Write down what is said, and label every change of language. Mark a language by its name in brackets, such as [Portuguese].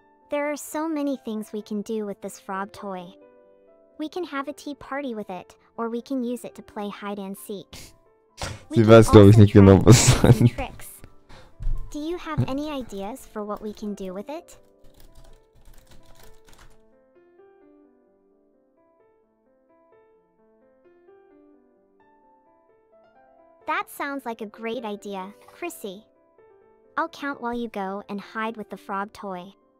[English] There are so many things we can do with this frog toy. We can have a tea party with it, or we can use it to play hide and seek. [German] Sie weiß, glaube ich, nicht genau, was es ist. [English] Do you have any ideas for what we can do with it? That sounds like a great idea, Chrissy. I'll count while you go and hide with the frog toy.